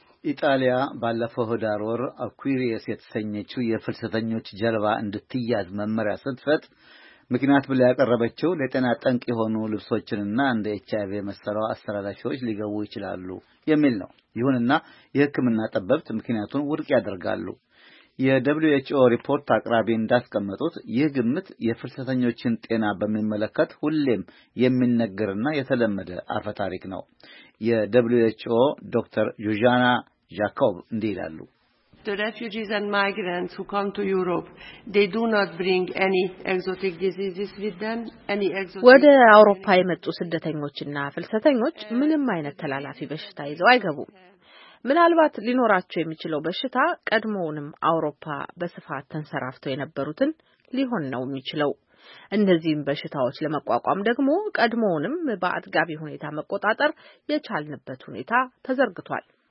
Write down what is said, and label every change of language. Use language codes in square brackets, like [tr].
[am] ኢጣሊያ ባለፈው ህዳር ወር አኩሪየስ የተሰኘችው የፍልሰተኞች ጀልባ እንድትያዝ መመሪያ ስትፈጥ ምክንያት ብላ ያቀረበችው ለጤና ጠንቅ የሆኑ ልብሶችንና እንደ ኤችአይቪ መሰለው አስተላላፊዎች ሊገቡ ይችላሉ የሚል ነው። ይሁንና የሕክምና ጠበብት ምክንያቱን ውድቅ ያደርጋሉ። የWHO ሪፖርት አቅራቢ እንዳስቀመጡት ይህ ግምት የፍልሰተኞችን ጤና በሚመለከት ሁሌም የሚነገርና የተለመደ አፈታሪክ ነው። የWHO ዶክተር ዩጃና ጃኮብ እንዲህ ይላሉ። [en] The refugees and migrants who come to Europe, they do not bring any exotic diseases with them, [am] ወደ አውሮፓ የመጡ ስደተኞችና ፍልሰተኞች ምንም አይነት ተላላፊ በሽታ ይዘው አይገቡም። ምናልባት ሊኖራቸው የሚችለው በሽታ ቀድሞውንም አውሮፓ በስፋት ተንሰራፍተው የነበሩትን ሊሆን ነው የሚችለው። እነዚህን በሽታዎች ለመቋቋም ደግሞ ቀድሞውንም በአጥጋቢ ሁኔታ መቆጣጠር የቻልንበት ሁኔታ ተዘርግቷል።